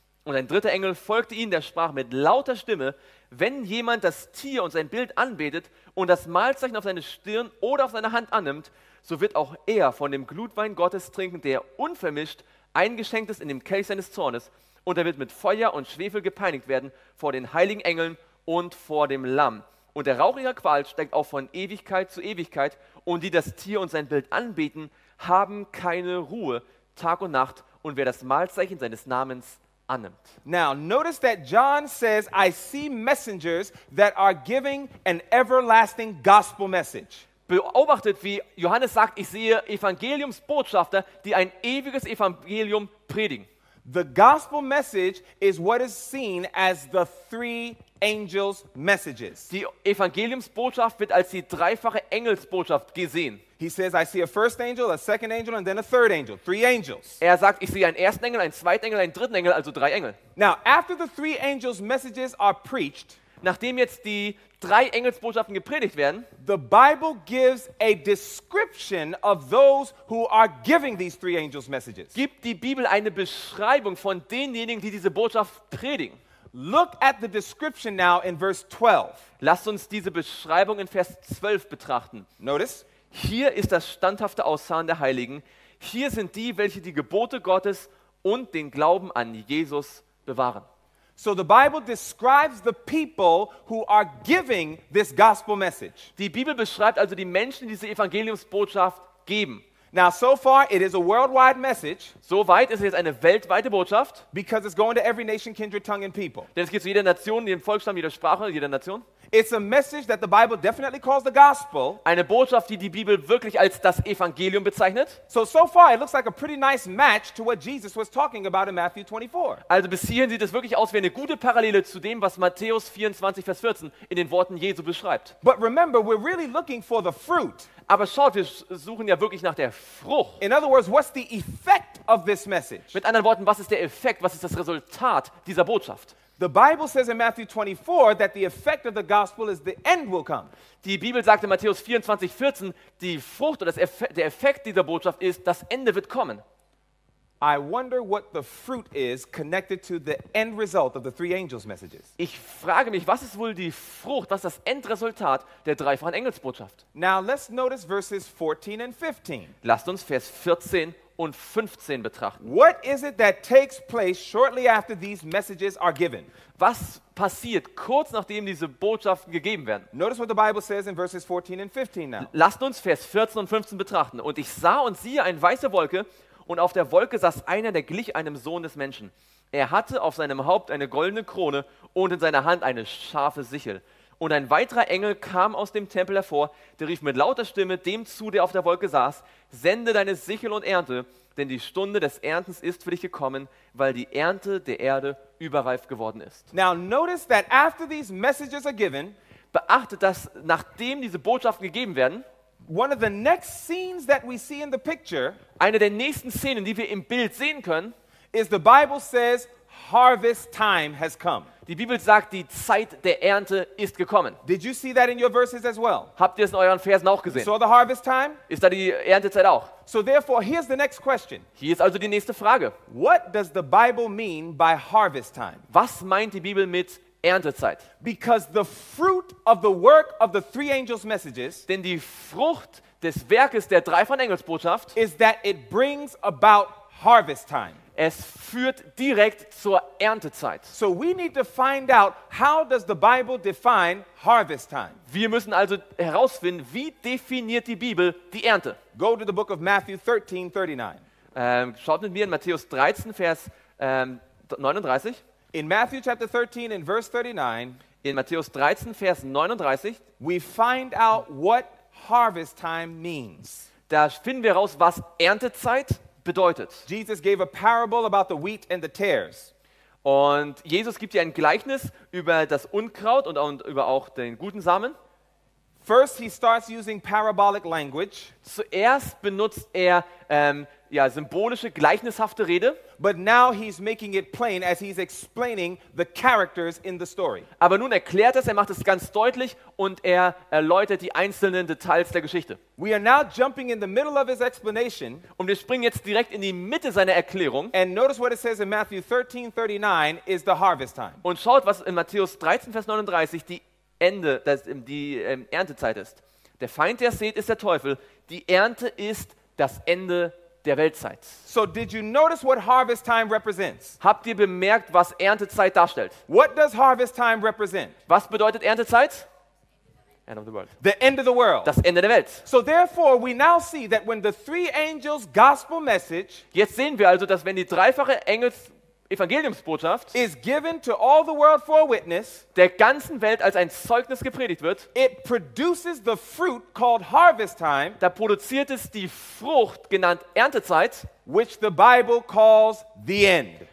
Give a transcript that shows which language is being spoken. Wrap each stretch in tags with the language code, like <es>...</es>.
<de>Und ein dritter Engel folgte ihnen, der sprach mit lauter Stimme: Wenn jemand das Tier und sein Bild anbetet und das Malzeichen auf seine Stirn oder auf seine Hand annimmt, so wird auch er von dem Glutwein Gottes trinken, der unvermischt eingeschenkt ist in dem Kelch seines Zornes, und er wird mit Feuer und Schwefel gepeinigt werden vor den heiligen Engeln und vor dem Lamm. Und der Rauch ihrer Qual steigt auch von Ewigkeit zu Ewigkeit, und die das Tier und sein Bild anbeten, haben keine Ruhe Tag und Nacht, und wer das Malzeichen seines Namens annimmt.</de> <en>Now notice that John says, I see messengers that are giving an everlasting gospel message.</en> <de>Beobachtet, wie Johannes sagt, ich sehe Evangeliumsbotschafter, die ein ewiges Evangelium predigen.</de> <en>The gospel message is what is seen as the three angels' messages.</en> <de>Die Evangeliumsbotschaft wird als die dreifache Engelsbotschaft gesehen.</de> <en>He says, I see a first angel, a second angel, and then a third angel. Three angels.</en> <de>Er sagt, ich sehe einen ersten Engel, einen zweiten Engel, einen dritten Engel, also drei Engel.</de> <en>Now, after the three angels' messages are preached,</en> <de>nachdem jetzt die drei Engelsbotschaften gepredigt werden,</de> <en>the Bible gives a description of those who are giving these three angels' messages.</en> <de>Gibt die Bibel eine Beschreibung von denjenigen, die diese Botschaft predigen.</de> <en>Look at the description now in verse 12.</en> <de>Lasst uns diese Beschreibung in Vers 12 betrachten.</de> <en>Notice.</en> <de>Hier ist das standhafte Ausharren der Heiligen. Hier sind die, welche die Gebote Gottes und den Glauben an Jesus bewahren.</de> <en>So the Bible describes the people who are giving this gospel message.</en> <de>Die Bibel beschreibt also die Menschen, die diese Evangeliumsbotschaft geben.</de> <en>Now so far it is a worldwide message.</en> <de>So weit ist es jetzt eine weltweite Botschaft.</de> <en>Because it's going to every nation, kindred, tongue and people.</en> <de>Denn es geht zu jeder Nation, jedem Volksstamm, jeder Sprache, jeder Nation.</de> <en>It's a message that the Bible definitely calls the gospel.</en> <de>Eine Botschaft, die die Bibel wirklich als das Evangelium bezeichnet.</de> <en>So far it looks like a pretty nice match to what Jesus was talking about in Matthew 24.</en> <de>Also bis hierhin sieht es wirklich aus wie eine gute Parallele zu dem, was Matthäus 24 Vers 14 in den Worten Jesu beschreibt.</de> <en>But remember, we're really looking for the fruit.</en> <de>Aber schaut, wir suchen ja wirklich nach der Frucht.</de> <en>In other words, what's the effect of this message?</en> <de>Mit anderen Worten, was ist der Effekt, was ist das Resultat dieser Botschaft?</de> <en>The Bible says in Matthew 24 that the effect of the gospel is the end will come.</en> <de>Die Bibel sagt in Matthäus 24, 14, die Frucht oder der Effekt dieser Botschaft ist, das Ende wird kommen.</de> <en>I wonder what the fruit is connected to the end result of the three angels' messages.</en> <de>Ich frage mich, was ist wohl die Frucht, was ist das Endresultat der dreifachen Engelsbotschaft?</de> <en>Now let's notice verses 14 and 15.</en> <de>Lasst uns Vers 14 und 15 betrachten.</de> <en>What is it that takes place shortly after these messages are given?</en> <de>Was passiert kurz nachdem diese Botschaften gegeben werden?</de> <en>Notice what the Bible says in verses 14 and 15 now.</en> <de>Lasst uns Vers 14 und 15 betrachten. Und ich sah und siehe eine weiße Wolke. Und auf der Wolke saß einer, der glich einem Sohn des Menschen. Er hatte auf seinem Haupt eine goldene Krone und in seiner Hand eine scharfe Sichel. Und ein weiterer Engel kam aus dem Tempel hervor, der rief mit lauter Stimme dem zu, der auf der Wolke saß, sende deine Sichel und ernte, denn die Stunde des Erntens ist für dich gekommen, weil die Ernte der Erde überreif geworden ist.</de> <en>Now notice that after these messages are given,</en> <de>beachtet, dass nachdem diese Botschaften gegeben werden,</de> <en>one of the next scenes that we see in the picture,</en> <de>eine der nächsten Szenen, die wir im Bild sehen können,</de> <en>is the Bible says harvest time has come.</en> <de>Die Bibel sagt, die Zeit der Ernte ist gekommen.</de> <en>Did you see that in your verses as well?</en> <de>Habt ihr es in euren Versen auch gesehen?</de> <en>So the harvest time?</en> <de>Ist da die Erntezeit auch?</de> <en>So therefore, here's the next question.</en> <de>Hier ist also die nächste Frage.</de> <en>What does the Bible mean by harvest time?</en> <de>Was meint die Bibel mit Erntezeit?</de> <en>Because the fruit of the work of the three angels' messages,</en> <de>denn die Frucht des Werkes der dreifachen Engelsbotschaft,</de> <en>is that it brings about harvest time.</en> <de>Es führt direkt zur Erntezeit.</de> <en>So we need to find out, how does the Bible define harvest time?</en> <de>Wir müssen also herausfinden, wie definiert die Bibel die Ernte?</de> <en>Go to the book of Matthew 13, 39.</en> <de>Schaut mit mir in Matthäus 13, Vers 39.</de> <en>In Matthew chapter 13 and verse 39,</en> <de>in Matthäus 13 Vers 39,</de> <en>we find out what harvest time means.</en> <de>Da finden wir raus, was Erntezeit bedeutet.</de> <en>Jesus gave a parable about the wheat and the tares.</en> <de>Und Jesus gibt hier ein Gleichnis über das Unkraut und über auch den guten Samen.</de> <en>First he starts using parabolic language.</en> <de>Zuerst benutzt er symbolische, gleichnishafte Rede.</de> <en>But now he's making it plain as he's explaining the characters in the story.</en> <de>Aber nun erklärt er macht es ganz deutlich und er erläutert die einzelnen Details der Geschichte.</de> <en>We are now jumping in the middle of his explanation.</en> <de>Und wir springen jetzt direkt in die Mitte seiner Erklärung.</de> <en>And notice what it says in Matthew 13:39 is the harvest time.</en> <de>Und schaut, was in Matthäus 13, Vers 39 die Ende, die Erntezeit ist. Der Feind, der sät, ist der Teufel. Die Ernte ist das Ende der Weltzeit.</de> <en>So did you notice what harvest time represents?</en> <de>Habt ihr bemerkt, was Erntezeit darstellt?</de> <en>What does harvest time represent?</en> <de>Was bedeutet Erntezeit?</de> <en>End of the world. The end of the world.</en> <de>Das Ende der Welt.</de> <en>So therefore we now see that when the three angels' gospel message,</en> <de>jetzt sehen wir also, dass wenn die dreifache Engels Evangeliumsbotschaft,</de> <en>is given to all the world for a witness,</en> <de>der ganzen Welt als ein Zeugnis gepredigt wird,</de> <en>it produces the fruit called harvest time,</en> <de>da produziert es die Frucht genannt Erntezeit,</de> <en>which the Bible calls the end,</en>